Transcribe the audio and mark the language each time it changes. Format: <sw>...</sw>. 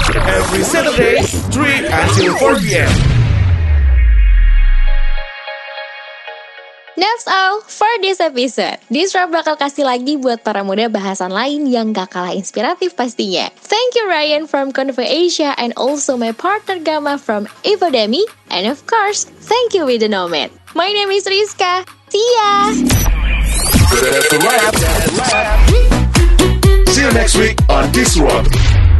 <en>Every Saturday, 3 until 4 p.m. That's all for this episode.</en> <id>Disrupt bakal kasih lagi buat para muda bahasan lain yang gak kalah inspiratif pastinya.</id> <en>Thank you Ryan from Convo Asia and also my partner Gamma from Evodemy. And of course, thank you with the Nomad. My name is Rizka. See ya! See you next week on Disrupt.</en>